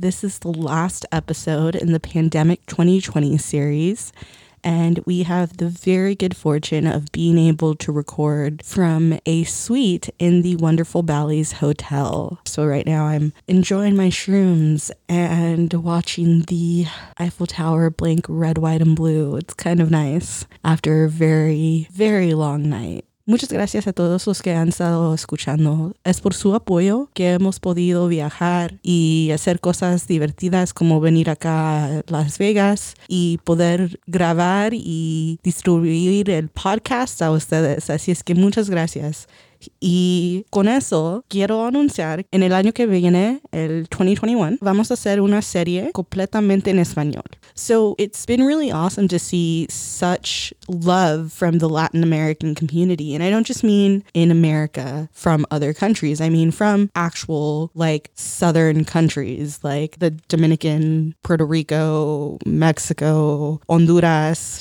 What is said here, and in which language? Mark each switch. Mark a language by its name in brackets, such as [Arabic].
[English] This is the last episode in the Pandemic 2020 series, and we have the very good fortune of being able to record from a suite in the wonderful Bally's Hotel. So right now I'm enjoying my shrooms and watching the Eiffel Tower blink red, white, and blue. It's kind of nice after a very, very long night. [Spanish] Muchas gracias a todos los que han estado escuchando. Es por su apoyo que hemos podido viajar y hacer cosas divertidas como venir acá a Las Vegas y poder grabar y distribuir el podcast a ustedes. Así es que muchas gracias. Y con eso, quiero anunciar en el año que viene, el 2021, vamos a hacer una serie completamente en español. [English] So it's been really awesome to see such love from the Latin American community. And I don't just mean in America from other countries. I mean from actual, like, southern countries, like the Dominican, Puerto Rico, Mexico, Honduras.